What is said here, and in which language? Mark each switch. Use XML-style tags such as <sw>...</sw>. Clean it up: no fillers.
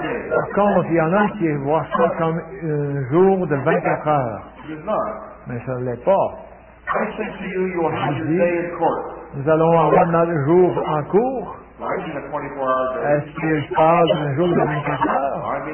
<fr>Par contre, il y en a qui voient ça comme un jour de 24 heures. Mais ça ne l'est pas.</fr> <en>I say to you, you will have your day in court.</en> <fr>Nous allons avoir notre jour en cours. Est-ce qu'il parle d'un jour de 24 heures?</fr>